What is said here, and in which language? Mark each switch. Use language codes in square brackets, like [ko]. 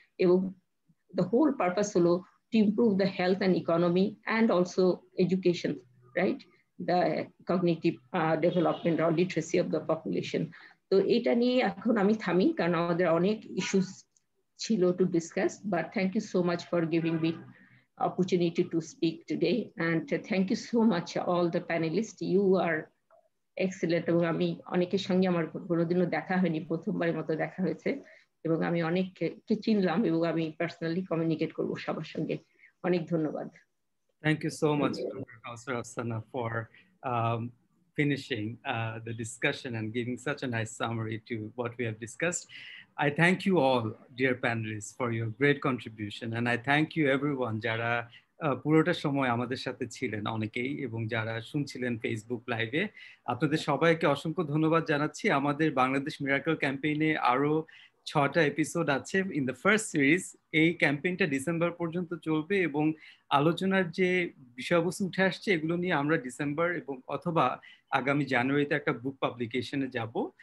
[en] এবং the whole purpose হলো to improve the health and economy and also education, right, the cognitive development or literacy of the population. [bn] তো এটা নিয়ে এখন আমি থামি, কারণ আমাদের অনেক ইস্যুস ছিল [en] To discuss. But thank you so much for giving me opportunity to speak today, and thank you so much all the panelists, you are excellent. [bn] এবং আমি অনেকের সঙ্গে আমার কোনোদিনও দেখা হয়নি, প্রথমবারের মতো দেখা হয়েছে, এবং আমি অনেককে চিনলাম এবং আমি পার্সোনালি কমিউনিকেট করব সবার সঙ্গে। অনেক ধন্যবাদ। [en] Thank you so much, Professor Afsana, for finishing the discussion and giving such a nice summary to what we have discussed. I thank you all, dear panelists, for your great contribution. And I thank you everyone, Jara, [bn] পুরোটা সময় আমাদের সাথে ছিলেন অনেকেই এবং যারা শুনছিলেন Facebook লাইভে, আপনাদের সবাইকে অসংখ্য ধন্যবাদ জানাচ্ছি। আমাদের বাংলাদেশ মিরাকল ক্যাম্পেইনে আরো 6টা এপিসোড আছে [en] In the first series. [bn] এই ক্যাম্পেইনটা ডিসেম্বর পর্যন্ত চলবে এবং আলোচনার যে বিষয়বস্তু উঠে আসছে এগুলো নিয়ে আমরা ডিসেম্বর এবং অথবা আগামী জানুয়ারিতে একটা বুক পাবলিকেশনে যাব।